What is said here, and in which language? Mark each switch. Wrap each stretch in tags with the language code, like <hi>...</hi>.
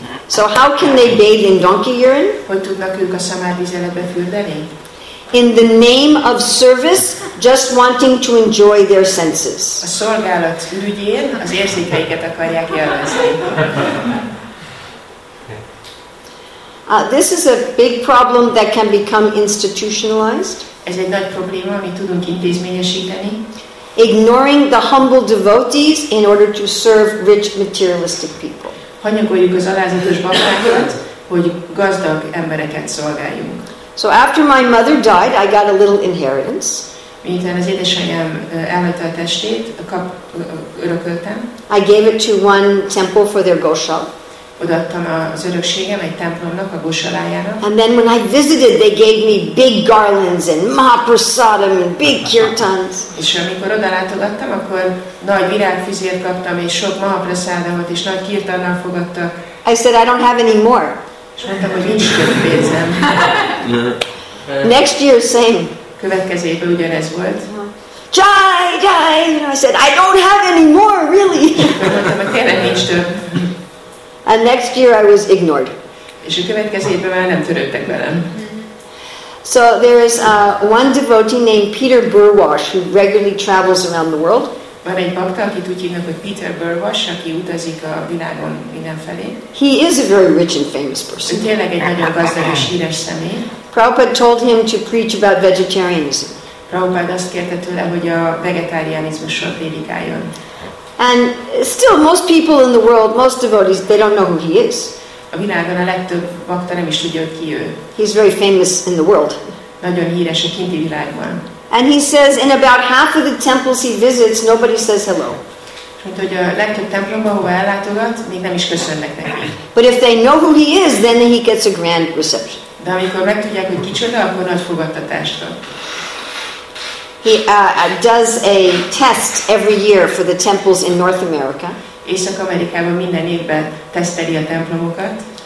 <en>So how can they bathe in donkey urine?</en> <hu>Hogy tudnak ők a szamárvizeletbe fürdeni?</hu> <en>In the name of service, just wanting to enjoy their senses.</en> <hu>A szolgálat ügyén az érzékeiket akarják élvezni.</hu> <en>This is a big problem that can become institutionalized.</en> <hu>Ez egy nagy probléma, amit tudunk intézményesíteni.</hu> <en>Ignoring the humble devotees in order to serve rich materialistic people.</en> <hu>Hanyagoljuk az alázatos baktákat, hogy gazdag embereket szolgáljunk.</hu> <en>So after my mother died, I got a little inheritance.</en> <hu>Miután az édesanyám elhagyta a testét, örököltem.</hu> <en>I gave it to one temple for their goshal.</en> <hu>Odaadtam az örökségem egy templomnak, a goshalájának.</hu> <en>And then when I visited, they gave me big garlands and mahaprasadam and big kirtans.</en> <hu>És amikor odalátogattam, akkor nagy virágfüzért kaptam, és sok mahaprasadamot és nagy kirtannal fogadtak.</hu> <en>I said, I don't have any more.</en> <hu>És mondtam, hogy nincs több pénzem.</hu> <en>Next year, same.</en> <hu>Következő évben ugyanez volt. Jai, jai!</hu> <en>I said, I don't have any more, really.</en> <hu>Mondtam, hogy tényleg nincs több.</hu> <en>And next year I was ignored.</en> <hu>És a következő évben már nem törődtek velem.</hu> <en>So there is one devotee named Peter Burwash who regularly travels around the world.</en> <hu>Van egy bakta, akit úgy hívnak, hogy Peter Burwash, aki utazik a világon mindenfelé.</hu> <en>He is a very rich and famous person.</en> <hu>Ő tényleg egy nagyon gazdag és híres személy.</hu> <en>Prabhupada told him to preach about vegetarianism.</en> <hu>Prabhupada azt kérte tőle, hogy a vegetarianizmusról prédikáljon.</hu> <en>And still, most people in the world, most devotees, they don't know who he is.</en> <hu>A világon a legtöbb bakta nem is tudja, hogy ki ő.</hu> <en>He's very famous in the world.</en> <hu>Nagyon híres a kinti világban.</hu> <en>And he says, in about half of the temples he visits, nobody says hello.</en> <hu>Mint hogy a legtöbb templomban, ahova ellátogat, még nem is köszönnek neki.</hu> <en>But if they know who he is, then he gets a grand reception.</en> <hu>De amikor megtudják, hogy kicsoda, akkor nagy fogadtatást kap.</hu> <en>He does a test every year for the temples in North America.</en> <hu>Észak-Amerikában minden évben teszteli a templomokat.</hu>